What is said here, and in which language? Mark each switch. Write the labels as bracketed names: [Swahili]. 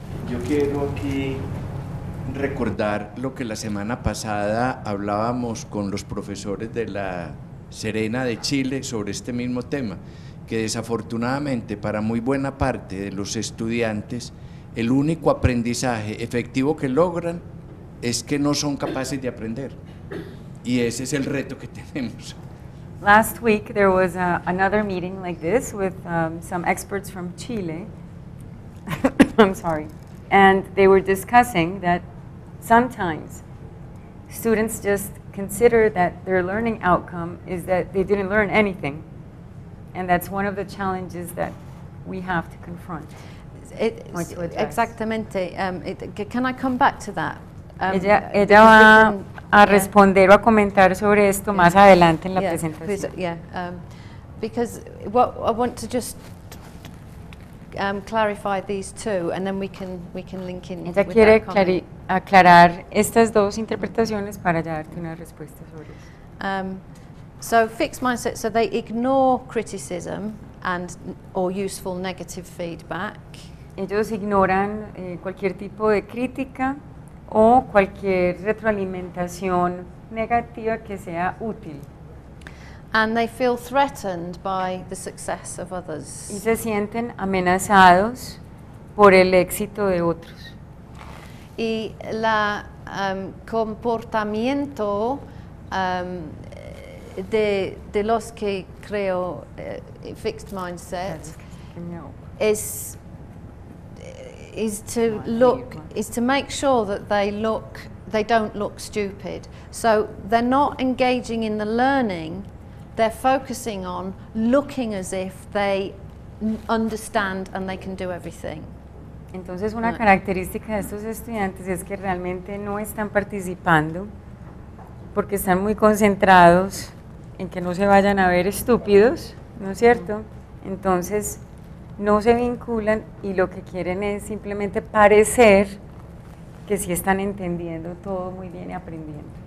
[Spanish] Yo quiero aquí recordar lo que la semana pasada hablábamos con los profesores de la Serena de Chile sobre este mismo tema, que desafortunadamente para muy buena parte de los estudiantes el único aprendizaje efectivo que logran es que no son capaces de aprender. Y ese es el reto que tenemos. [English] Last week there was another meeting like this with some experts from Chile. I'm sorry. And they were discussing that sometimes students just consider that their learning outcome is that they didn't learn anything. And that's one of the challenges that we have to confront. [Spanish] Exactamente. [English] Can I come back to that? [Spanish] Ella va a responder o a comentar sobre esto más adelante en la presentación. [English] Because what I want to just clarify these two, and then we can link in. [Spanish] Ella quiere aclarar estas dos interpretaciones para darte una respuesta sobre eso. [English] So fixed mindset, so they ignore criticism and or useful negative feedback. [Spanish] Ellos ignoran cualquier tipo de crítica o cualquier retroalimentación negativa que sea útil. [English] And they feel threatened by the success of others. [Spanish] Y se sienten amenazados por el éxito de otros. Y la comportamiento de los que creo [English] fixed mindset is to make sure that they don't look stupid. So they're not engaging in the learning, they're focusing on looking as if they understand and they can do everything. [Spanish] Entonces una característica de estos estudiantes es que realmente no están participando porque están muy concentrados en que no se vayan a ver estúpidos, ¿no es cierto? Entonces no se vinculan y lo que quieren es simplemente parecer que sí están entendiendo todo muy bien y aprendiendo.